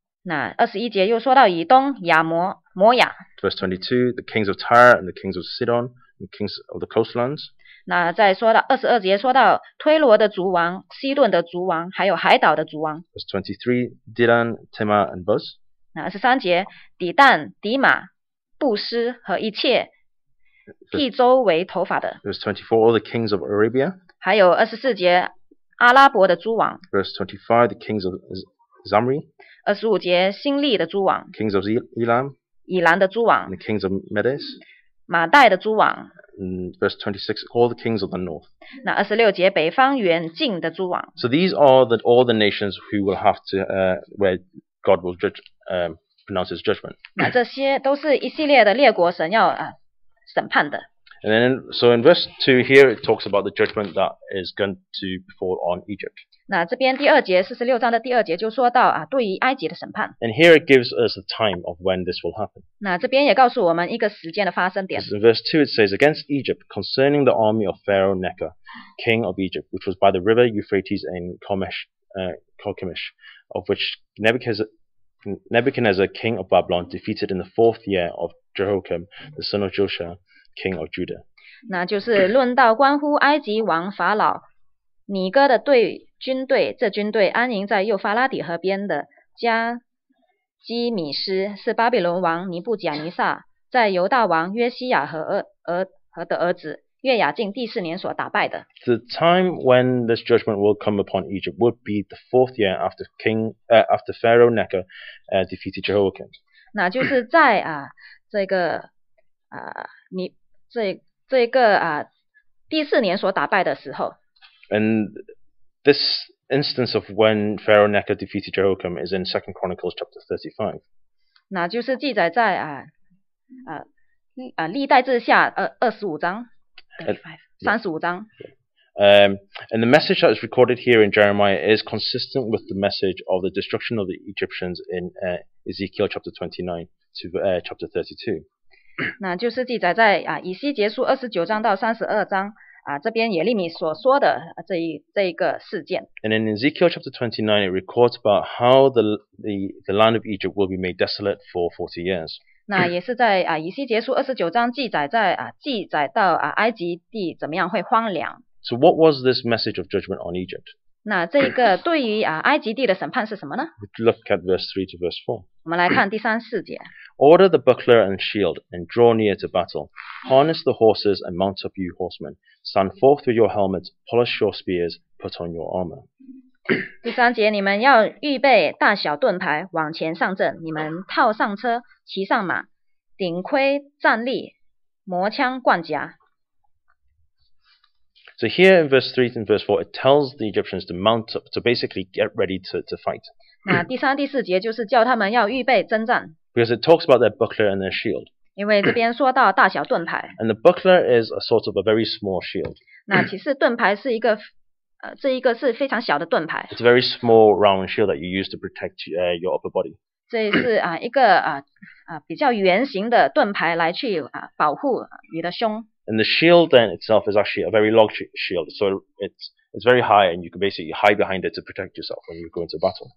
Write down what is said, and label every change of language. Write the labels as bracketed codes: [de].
[zh] 那二十一节又说到以东亚摩摩亚。 [en] Verse 22, the kings of Tyre and the kings of Sidon, the kings of the coastlands. [zh] 那再说到二十二节说到推罗的族王、西顿的族王，还有海岛的族王。 [en] Verse 23, Dedan, Tamar, and Buz. [zh] 那二十三节，底但、底马、布斯和一切剃周围头发的。 [en] Verse 24, all the kings of Arabia. [zh] 还有二十四节，阿拉伯的族王。 [en] Verse 25, the kings of Zamri. [zh] 二十五节，新立的诸王 [en] ，Kings of Elam， [zh] 以兰的诸王 [en] ，The kings of Medes， [zh] 马代的诸王 [en] ，Verse 26， all the kings of the north。 [zh] 那二十六节，北方远近的诸王。 [en] So these are the all the nations who will have to where God will judge pronounce His judgment。 [zh] 那这些都是一系列的列国神要审判的。 [en] And then, so in verse 2 here it talks about the judgment that is going to fall on Egypt. [zh] 那这边第二节四十六章的第二节就说到对于埃及的审判。 [en] And here it gives us the time of when this will happen. [zh] 那这边也告诉我们一个时间的发生点。 [en] In verse 2 it says, against Egypt, concerning the army of Pharaoh Necho, king of Egypt, which was by the river Euphrates and Carchemish, of which Nebuchadnezzar, king of Babylon, defeated in the fourth year of Jehoiakim, the son of Josiah. King of Judah. [zh] 那就是论到关乎埃及王法老尼哥的队军队，这军队安营在幼发拉底河边的加基米斯，是巴比伦王尼布甲尼撒在犹大王约西亚和的儿子约雅敬第四年所打败的。 [en] The time when this judgment will come upon Egypt would be the fourth year after after Pharaoh Necho defeated Jehoiakim. [zh] 那就是在这个你这个第四年所打败的时候 [en] ，and this instance of when Pharaoh Necho defeated Jehoiakim is in Second Chronicles chapter 35. [zh] 那就是记载在历代志下二十五章，三十五章。 [en] And the message that is recorded here in Jeremiah is consistent with the message of the destruction of the Egyptians in Ezekiel chapter 29 to chapter 32. [zh] 那就是记载在以西结书二十九章到三十二章这边耶利米所说的这一个事件。 [en] And in Ezekiel chapter 29, it records about how the land of Egypt will be made desolate for 40 years. [zh] 那也是在以西结书二十九章记载到埃及地怎么样会荒凉。 [en] So what was this message of judgment on Egypt? [zh] 那这个对于埃及地的审判是什么呢? [en] Look at verse 3 to verse 4. [zh] 我们来看第三四节。 [en] Order the buckler and shield, and draw near to battle. Harness the horses and mount up you horsemen. Stand forth with your helmets, polish your spears, put on your armor. [zh] 第三节，你们要预备大小盾牌，往前上阵。你们套上车，骑上马，顶盔站立，磨枪冠甲。 [en] So here in verse 3 and verse 4, it tells the Egyptians to mount up, to basically get ready to fight. [zh] 那第三、第四节就是叫他们要预备征战。 [en] Because it talks about their buckler and their shield. [zh] 因为这边说到大小盾牌。 [en] And the buckler is a sort of a very small shield. [zh] 那其实盾牌是一个这一个是非常小的盾牌。 [en] It's a very small round shield that you use to protect your upper body. [zh] 这是一个比较圆形的盾牌来去保护你的胸。 [en] And the shield then itself is actually a very long shield, so it's very high, and you can basically hide behind it to protect yourself when you go into battle.